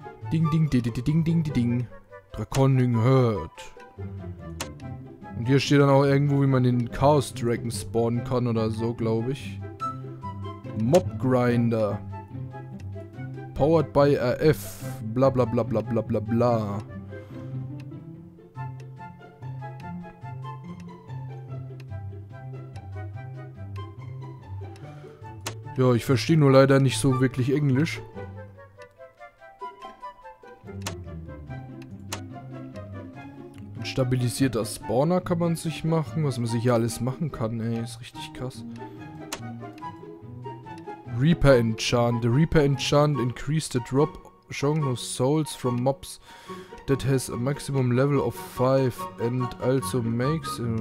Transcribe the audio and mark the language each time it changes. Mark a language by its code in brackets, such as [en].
[en] Ding, ding, di, di, di, ding, ding, ding, ding. Draconing Herd. [de] Und hier steht dann auch irgendwo, wie man den Chaos Dragon spawnen kann oder so, glaube ich. [en] Mob Grinder. Powered by RF. Bla bla bla bla bla bla bla. [de] Ja, ich verstehe nur leider nicht so wirklich Englisch. Ein stabilisierter Spawner kann man sich machen, was man sich hier alles machen kann, ey, ist richtig krass. [en] Reaper Enchant. The Reaper Enchant increased the drop chance of souls from mobs that has a maximum level of 5 and also makes...